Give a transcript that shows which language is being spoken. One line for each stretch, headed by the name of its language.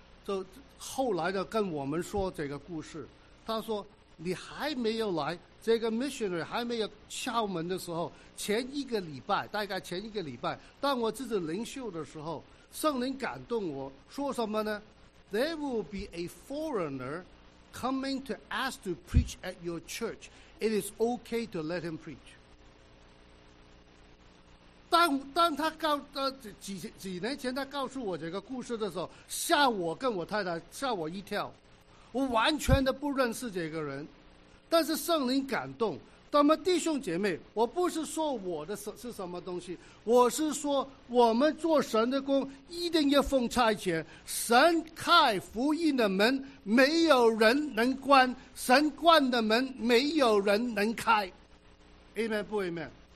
Chinese: 就后来的跟我们说这个故事，他说你还没有来，这个 missionary 还没有敲门的时候，大概前一个礼拜，当我自己灵修的时候，圣灵感动我说什么呢？
English: There will be a foreigner coming to ask to preach at your church. It is okay to let him preach.
Chinese: 当他告几年前他告诉我这个故事的时候，吓我跟我太太吓我一跳。我完全的不认识这个人，但是圣灵感动他们弟兄姐妹，我不是说我的是什么东西，我是说我们做神的工一定要奉差遣，神开福音的门没有人能关，神关的门没有人能开， Amen 不 Amen。